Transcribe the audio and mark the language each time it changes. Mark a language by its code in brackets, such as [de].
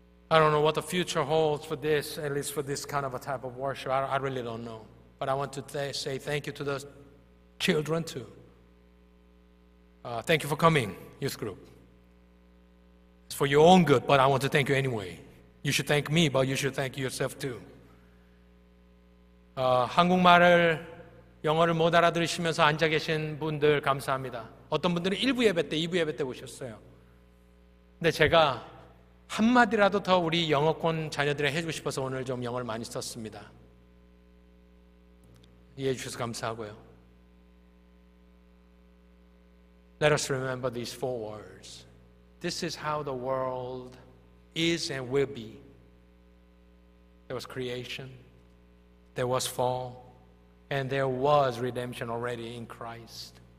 [en] I don't know what the future holds for this, at least for this kind of a type of worship. I really don't know. But I want to say thank you to the children too. Thank you for coming, youth group. It's for your own good, but I want to thank you anyway. You should thank me, but you should thank yourself too. [ko] 한국말을 영어를 못 알아들으시면서 앉아 계신 분들 감사합니다. 어떤 분들은 1부 예배 때, 2부 예배 때 오셨어요. 근데 제가 한마디라도 더 우리 영어권 자녀들에 해주고 싶어서 오늘 좀 영어를 많이 썼습니다. 이해해 주셔서 감사하고요. [en] Let us remember these four words. This is how the world is and will be. There was creation. There was fall, and there was redemption already in Christ.